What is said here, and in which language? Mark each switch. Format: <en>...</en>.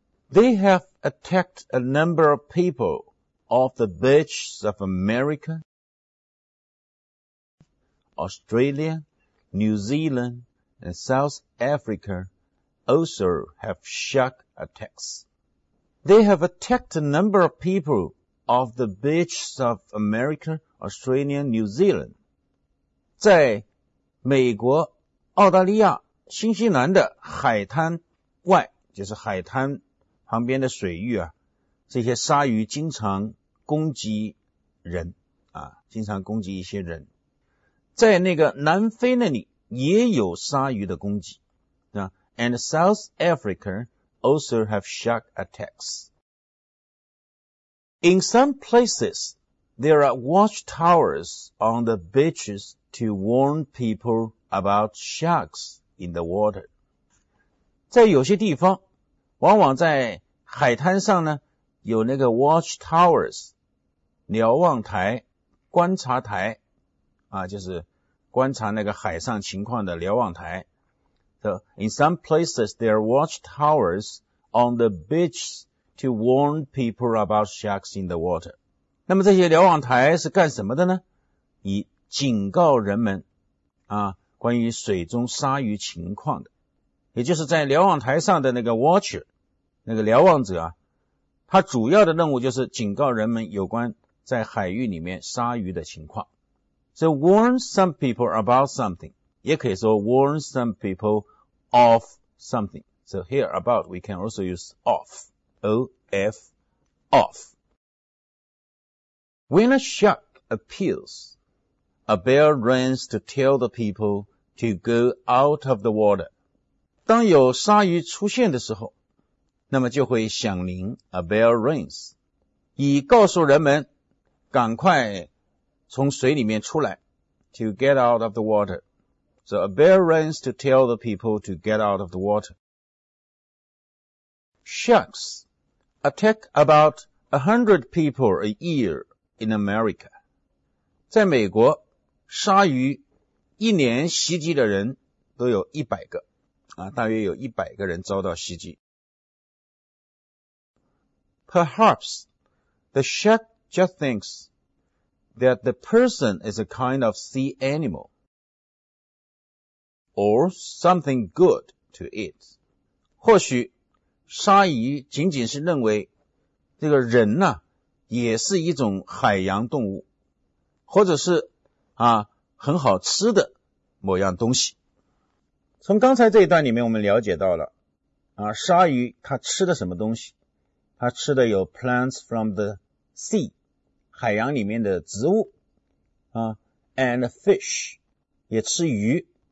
<en>They have attacked a number of people off the beaches of America, Australia, New Zealand, and South Africa also have shark attacks. They have attacked a number of people off the beaches of America, Australia, New Zealand.</en> <zh>在美国、澳大利亚、新西兰的海滩外，就是海滩旁边的水域啊，这些鲨鱼经常攻击人啊，经常攻击一些人。在那个南非那里也有鲨鱼的攻击啊 ，</zh> <en>and South Africa also have shark attacks. In some places, there are watchtowers on the beaches. To warn people about sharks in the water.</en> <zh>在有些地方往往在海滩上呢有那个 watchtowers, 瞭望台观察台啊就是观察那个海上情况的瞭望台。</zh> <en>So, in some places, there are watchtowers on the beach to warn people about sharks in the water.</en> <zh>那么这些瞭望台是干什么的呢以警告人们啊，关于水中鲨鱼情况的，也就是在瞭望台上的那个 watcher 那个瞭望者啊，他主要的任务就是警告人们有关在海域里面鲨鱼的情况。</zh> <en>So warn some people about something</en> <zh>也可以说</zh> <en>warn some people of something. So here about we can also use of O-F of. When a shark appearsA bell rings to tell the people to go out of the water.</en> <zh>当有鲨鱼出现的时候，那么就会响铃 a bell rings， 以告诉人们赶快从水里面出来 ，</zh> <en>to get out of the water。 So a bell rings to tell the people to get out of the water. Sharks attack about 100 people a year in America.</en> <zh>在美国，鲨鱼一年袭击的人都有100个，大约有100个人遭到袭击。</zh> <en>Perhaps the shark just thinks that the person is a kind of sea animal. Or something good to eat.</en> <zh>或许鲨鱼仅仅是认为这个人呢、也是一种海洋动物，或者是很好吃的某样东西。从刚才这一段里面我们了解到了鲨鱼它吃的什么东西，它吃的有</zh> <en>plants from the sea,</en> <zh>海洋里面的植物and fish, 也吃鱼。</zh>